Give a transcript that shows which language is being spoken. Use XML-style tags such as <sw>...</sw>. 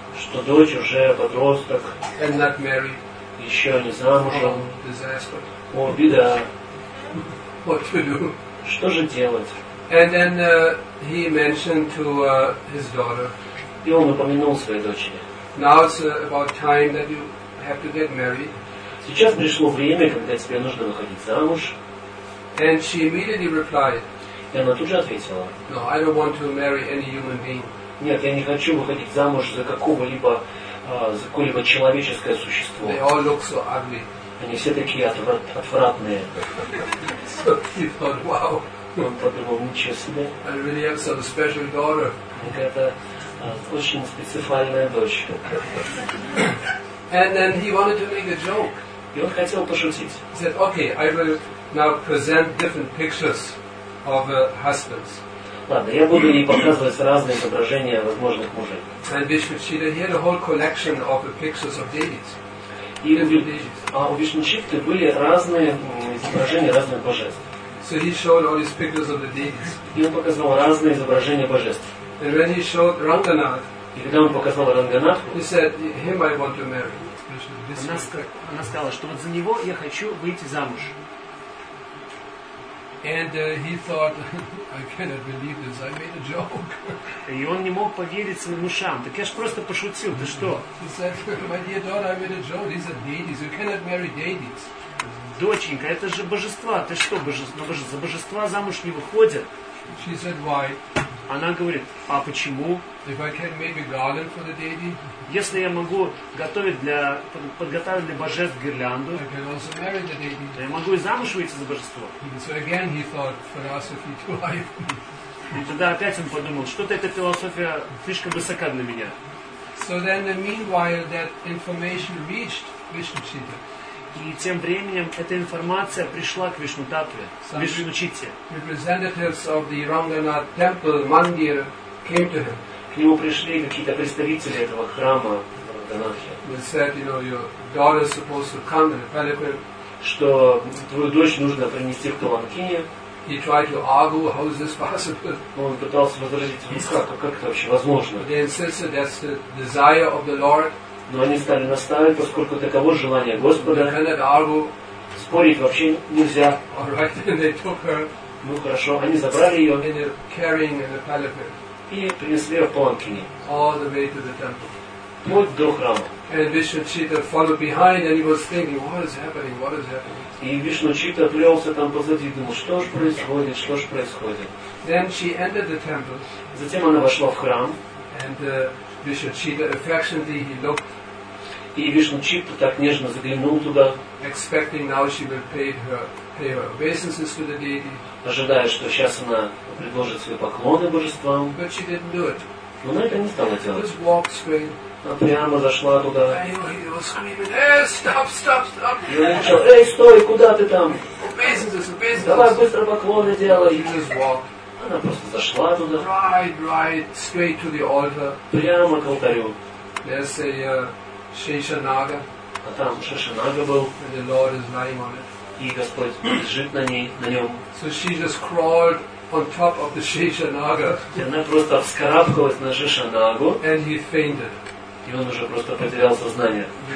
<ru>Что дочь уже подросток.</ru> <en>And not married.</en> <ru>Еще не замужем.</ru> <en>Disaster.</en> <ru>О, беда.</ru> <en>What to do?</en> <ru>Что же делать?</ru> <en>And then he mentioned to his daughter.</en> <ru>И он упомянул своей дочери.</ru> <en>Now it's about time that you have to get married.</en> <ru>Сейчас пришло время, когда тебе нужно выходить замуж.</ru> <en>And she immediately replied.</en> <ru>И она тут же ответила.</ru> <en>No, I don't want to marry any human being.</en> <ru>Нет, я не хочу выходить замуж за какого-либо за какое-либо человеческое существо.</ru> <en>They all look so ugly.</en> <ru>Они все такие отвратные.</ru> <en>So he thought, wow.</en> <ru>Он подумал, ничего себе.</ru> <en>I really have some special daughter.</en> <ru>Это очень специфальная дочь.</ru> <en>And then he wanted to make a joke.</en> <ru>И он хотел пошутить.</ru> <en>He said, okay, I will now present different pictures of husbands.</en> <ru>Ладно, я буду ей показывать разные изображения возможных мужей.</ru> <en>And Vishnuchitta had a whole collection of the pictures of deities.</en> <ru>И у Вишнучитты были разные изображения разных божеств.</ru> <en>So he showed all these pictures of the deities.</en> <ru>И он показывал разные изображения божеств.</ru> <en>And when he showed Ранганатху,</en> <ru>и когда он показал Ранганатху,</ru> <en>he said, him I want to marry.</en> <ru>Она сказала, что вот за него я хочу выйти замуж.</ru> <en>And he thought, I cannot believe this. I made a joke.</en> <ru>И он не мог поверить своим ушам. Так я ж просто пошутил. Ты что?</ru> <en>He said, my dear daughter, I made a joke. These are deities. You cannot marry deities.</en> <ru>Доченька, это же божества. Ты что, за божества замуж не выходят?</ru> <en>She said, why?</en> <ru>Она говорит, а почему?</ru> <en>If I can make a garland for the deity.</en> <ru>Если я могу подготовить для божеств гирлянду.</ru> <en>I can also marry the deity.</en> <ru>То я могу и замуж выйти за божество.</ru> <en>So again he thought philosophy too high.</en> <ru>И тогда опять он подумал, что-то эта философия слишком высока для меня.</ru> <en>So then, meanwhile, that information reached Vishnuchitta.</en> <ru>И тем временем эта информация пришла к Вишну Татве, Вишну Читте.</ru> <en>Representatives of the Ranganath temple, Mandir, came to him.</en> <ru>К нему пришли какие-то представители этого храма Ранганатхи. Что твою дочь нужно принести в Таланкине.</ru> <en>He tried to argue, how is this possible?</en> <ru>Он пытался возразить, как это вообще возможно.</ru> <en>They insisted that's the desire of the Lord.</en> <ru>Но они стали настаивать, поскольку таково желание Господа. Спорить вообще нельзя.</ru> <en>All right, then they took her.</en> <ru>Ну хорошо, они забрали ее.</ru> <en>In the carrying in the palanquin.</en> <ru>И принесли ее в паланкине.</ru> <en>All the way to the temple.</en> <ru>Вот до храма.</ru> <en>And Vishnu Chitta followed behind, and he was thinking, what is happening? What is happening?</en> <ru>И Вишну Читта плелся там позади, думал, что же происходит, что же происходит.</ru> <en>Then she entered the temple.</en> <ru>Затем она вошла в храм.</ru> <en>And Vishnu Chitta affectionately he looked.</en> <ru>И Вишну Читта так нежно заглянул туда.</ru> <en>Expecting now she will pay her obeisances to the deity.</en> <ru>Ожидая, что сейчас она предложит свои поклоны божествам.</ru> <en>But she didn't do it.</en> <ru>Но она это не стала делать.</ru> <en>Just walked straight.</en> <ru>Она прямо зашла туда.</ru> <en>Stop.</en> <ru>И он начал, эй, стой, куда ты там?</ru> <en>Obeisances.</en> <ru>Давай быстро поклоны делай. Она просто зашла туда.</ru> <en>Right, straight to the altar.</en> <ru>Прямо к алтарю.</ru> <en>There's a Sheshanaga.</en> <ru>А там Шешанага был.</ru> <en>And the Lord is lying on it.</en> <ru>И Господь лежит на нем.</ru> <en>So she just crawled on top of the Sheshanaga.</en> <ru>И она просто вскарабкалась на Шешанагу.</ru> <en>And he fainted.</en> <ru>И он уже просто потерял сознание.</ru>